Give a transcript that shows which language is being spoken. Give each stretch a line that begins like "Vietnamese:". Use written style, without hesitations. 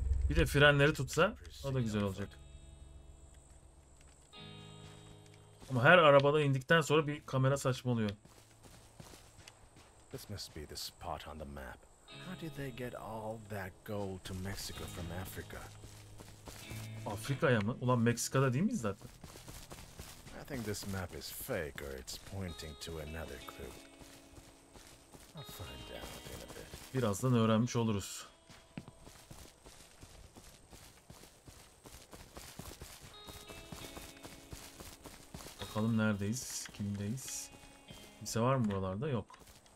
Turkish: Bir de frenleri tutsa o da güzel olacak. Ama her arabadan indikten sonra bir kamera saçmalıyor.
English: This must be the spot on the map. How did they get all that gold to Mexico from Africa?
Turkish: Afrika'ya mı? Ulan Meksika'da değil miyiz zaten?
English: I think this map is fake or it's pointing to another clue. I'll find out in a bit.
Turkish: Birazdan öğrenmiş oluruz. Bakalım neredeyiz? Kimdeyiz? Kimse var mı buralarda? Yok.